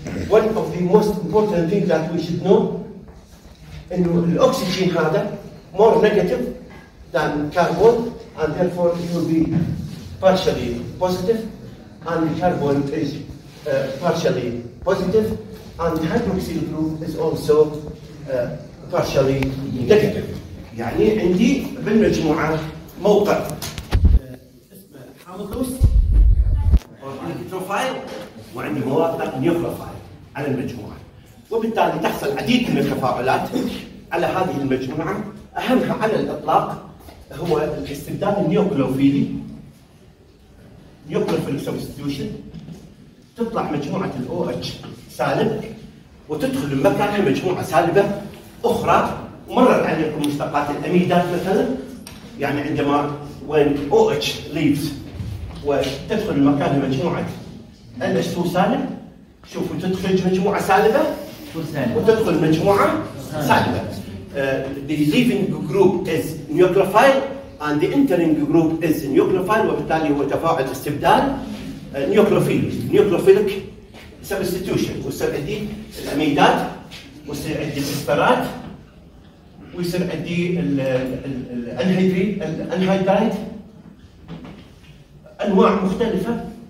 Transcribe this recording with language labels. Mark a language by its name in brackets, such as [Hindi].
[English] One of the most important things that we should know [Arabic] انه الاكسجين هذا [English] more negative than carbon and therefore it will be partially positive and the carbon is partially positive and the hydroxyl group is also partially negative. [Arabic] يعني عندي بالمجموعة موقع اسمه حاموس نيوكروفايل وعندي موقع نيوكروفايل على المجموعة، وبالتالي تحصل عديد من التفاعلات على هذه المجموعة، أهمها على الإطلاق هو الاستبدال النيوكلوفيلي نيوكلوفيل سبستيوشن، تطلع مجموعة الأو اتش سالب وتدخل المكان مجموعة سالبة أخرى. مرر عليكم مشتقات الأميدات مثلا، يعني عندما [English] when OH leaves [Arabic] وتدخل المكان مجموعة NH2 سالب، شوفوا تدخل مجموعة سالبة وتدخل مجموعة سالبة. [English] The leaving group is nucleophile and the entering group is nucleophile. [Arabic] وبالتالي هو تفاعل استبدال nucleophilic substitution. ويصير عندي الأميدات ويصير عندي الإسبرات ويصير عندي الأنهيدريد أنواع مختلفة.